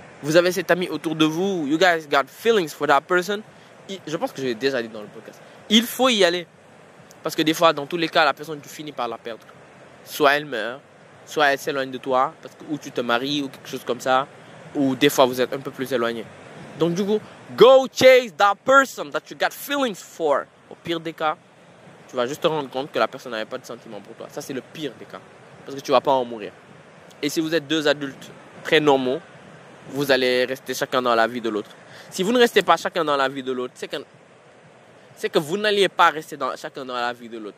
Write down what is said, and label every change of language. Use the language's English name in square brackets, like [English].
[French] Vous avez cet ami autour de vous. [English] You guys got feelings for that person. [French] Je pense que je l'ai déjà dit dans le podcast. Il faut y aller. Parce que des fois, dans tous les cas, la personne, tu finis par la perdre. Soit elle meurt, soit elle s'éloigne de toi, parce que, ou tu te maries, ou quelque chose comme ça. Ou des fois, vous êtes un peu plus éloigné. Donc du coup, [English] go chase that person that you got feelings for. [French] Au pire des cas, tu vas juste te rendre compte que la personne n'avait pas de sentiments pour toi. Ça, c'est le pire des cas. Parce que tu ne vas pas en mourir. Et si vous êtes deux adultes très normaux, vous allez rester chacun dans la vie de l'autre. Si vous ne restez pas chacun dans la vie de l'autre, c'est que vous n'alliez pas rester dans, chacun dans la vie de l'autre.